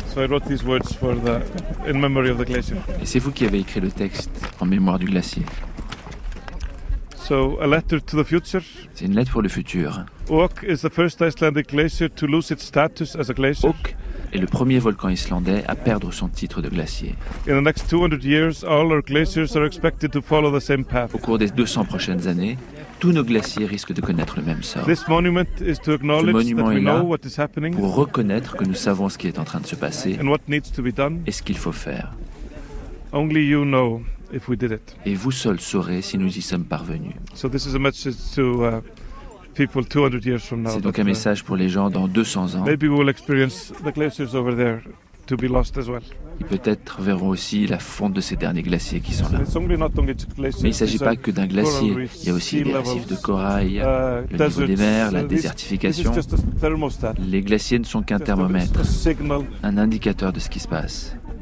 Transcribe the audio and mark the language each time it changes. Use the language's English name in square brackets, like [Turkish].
[English] So I wrote these words for the in memory of the glacier. [French] Et c'est vous qui avez écrit le texte en mémoire du glacier. [English] So a letter to the future. [French] C'est une lettre pour le futur. [English] Ok is the first Icelandic glacier to lose its status as a glacier. [French] Ok est le premier volcan islandais à perdre son titre de glacier. [English] In the next 200 years, all our glaciers are expected to follow the same path. [French] Au cours des 200 prochaines années, tous nos glaciers risquent de connaître le même sort. [English] This monument is to acknowledge [French] ce monument est là [English] what is happening [French] pour reconnaître que nous savons ce qui est en train de se passer [English] and what needs to be done. [French] Et ce qu'il faut faire. [English] Only you know if we did it. [French] Et vous seul saurez si nous y sommes parvenus. [English] So this is a message to, people 200 years from now. [French] C'est donc un message pour les gens dans 200 ans. [English] Maybe we'll experience the glaciers over there to be lost as well. [French] Ils peut-être verront aussi la fonte de ces derniers glaciers qui sont là. Mais il ne s'agit pas que d'un glacier. Il y a aussi des récifs de corail, le niveau des mers, la désertification. Les glaciers ne sont qu'un thermomètre, un indicateur de ce qui se passe.